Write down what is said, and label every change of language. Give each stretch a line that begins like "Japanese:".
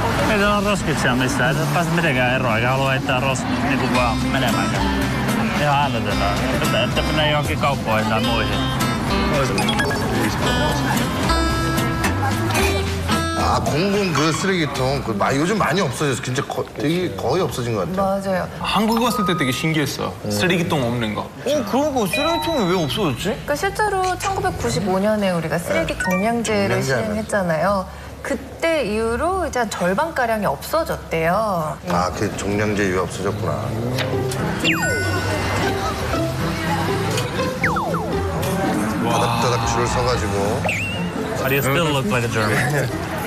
Finnish: Ei täällä ole roskiksia missään, et pääse mitenkään eroa, eikä halua heittää roskiksia niinku vaan menemäänkään. Ihan älytetään, että mennään johonkin kauppoihin tai muihin.
Korean: Ah, 공공 그 쓰레기통 그 요즘 많이 없어졌어. 진짜 되게 거의 없어진 것 같아. 맞아요. 한국 왔을 때 되게 신기했어. 쓰레기통 없는 거. 그런 거 쓰레기통이 왜 없어졌지? 그러니까 실제로 1995년에 우리가 쓰레기 종량제를 시행했잖아요. 그때 이후로 이제 절반 가량이 없어졌대요. 아, 그 종량제 이후에 없어졌구나. 다닥다닥 줄을 서가지고.
English: How do you still look like a German?